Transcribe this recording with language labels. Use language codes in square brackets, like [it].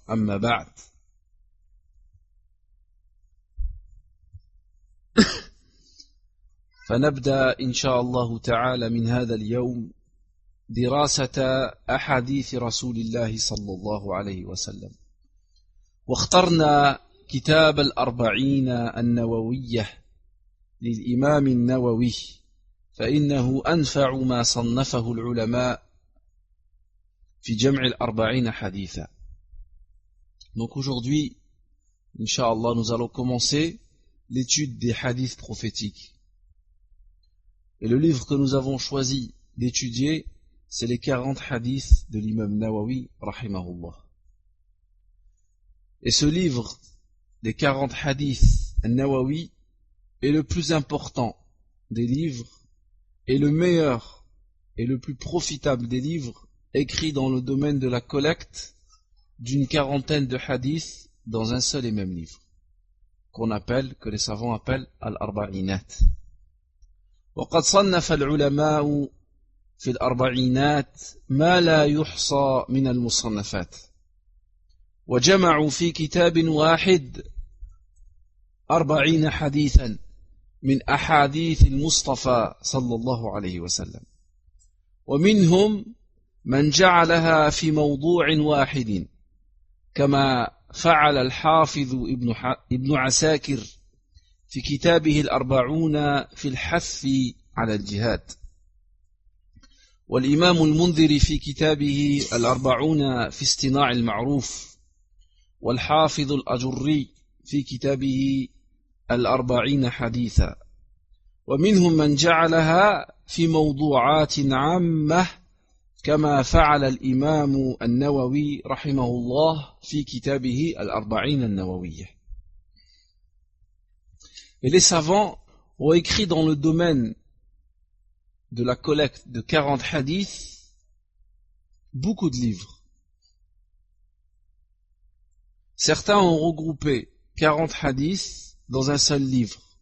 [ar] أما بعد، فنبدأ إن شاء الله تعالى من هذا اليوم دراسة أحاديث رسول الله صلى الله عليه وسلم، واخترنا كتاب الأربعين النووية للإمام النووي، فإنه أنفع ما صنفه العلماء في جمع الأربعين حديثا. [fr] Donc aujourd'hui, inshallah, nous allons commencer l'étude des hadiths prophétiques. Et le livre que nous avons choisi d'étudier, c'est les 40 hadiths de l'imam Nawawi, rahimahullah. Et ce livre des 40 hadiths Nawawi est le plus important des livres, et le meilleur et le plus profitable des livres écrits dans le domaine de la collecte d'une quarantaine de hadiths dans un seul et même livre, qu'on appelle, que les savants appellent, al-arba'inat. [ar] وَقَدْ صَنَّفَ الْعُلَمَاءُ فِي الْأَرْبَعِينَاتِ مَا لَا يُحْصَى مِنَ الْمُصَنَّفَاتِ وَجَمَعُوا فِي كِتَابٍ وَاحِدٍ أَرْبَعِينَ حَدِيثًا من أحاديث المصطفى صلى الله عليه وسلم، ومنهم من جعلها في موضوع واحد كما فعل الحافظ ابن عساكر في كتابه الأربعون في الحث على الجهاد، والإمام المنذر في كتابه الأربعون في اصطناع المعروف، والحافظ الأجري في كتابه الأربعين حديثا، ومنهم من جعلها في موضوعات عامة كما فعل الإمام النووي رحمه الله في كتابه الأربعين النووية. [fr] Et les savants ont écrit dans le domaine de la collecte de 40 hadiths beaucoup de livres. Certains ont regroupé 40 hadiths dans un seul livre.